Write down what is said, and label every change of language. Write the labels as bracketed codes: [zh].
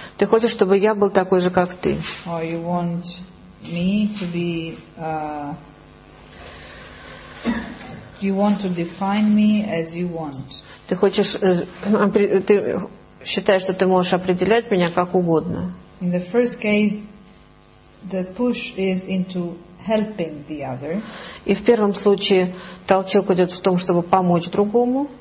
[ru] Ты хочешь, чтобы я был такой же, как ты. [en] Or you want me to be you want to define me as you want. [ru] Ты хочешь, ты считаешь, что ты можешь определять меня как угодно. [en] In the first case, the push is into helping the other. [ru] И в первом случае толчок идет в том, чтобы помочь другому.